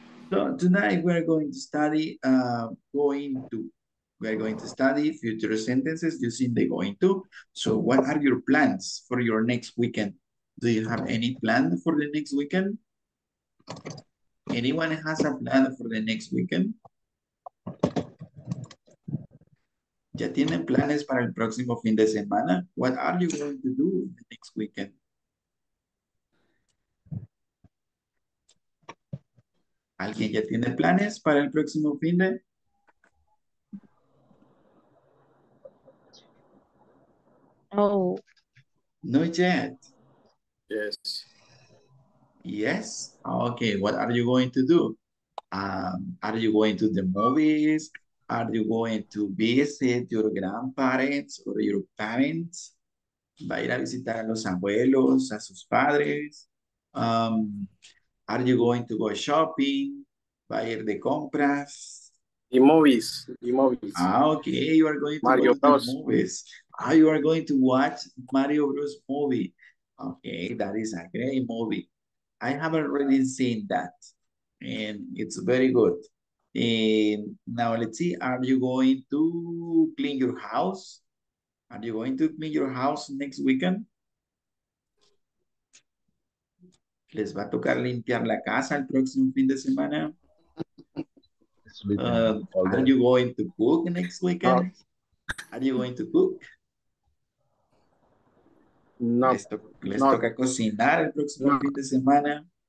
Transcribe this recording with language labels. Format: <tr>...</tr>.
<en>So tonight we're going to study going to. We're going to study future sentences using the going to. So, what are your plans for your next weekend? Do you have any plan for the next weekend? Anyone has a plan for the next weekend?</en> <es>¿Ya tienen planes para el próximo fin de semana?</es> <en>What are you going to do the next weekend?</en> <es>¿Alguien ya tiene planes para el próximo fin de? Oh.</es> <en>No yet. Yes. Yes. Okay. What are you going to do? Are you going to the movies? Are you going to visit your grandparents or your parents?</en> <es>¿Va a ir a visitar a los abuelos, a sus padres?</es> <en>Are you going to go shopping?</en> <es>¿Va a ir de compras?</es> <en>The movies. The movies. Ah, okay. You are going to Mario go to the movies. Ah, you are going to watch Mario Bros. Movie. Okay, that is a great movie. I have already seen that. And it's very good. And now let's see, are you going to clean your house? Are you going to clean your house next weekend?</en> <es>¿Les va a tocar limpiar la casa el próximo fin de semana?</es> <en>Are you going to cook next weekend? Are you going to cook?</en> <es>No, les toca cocinar el próximo fin de semana.</es>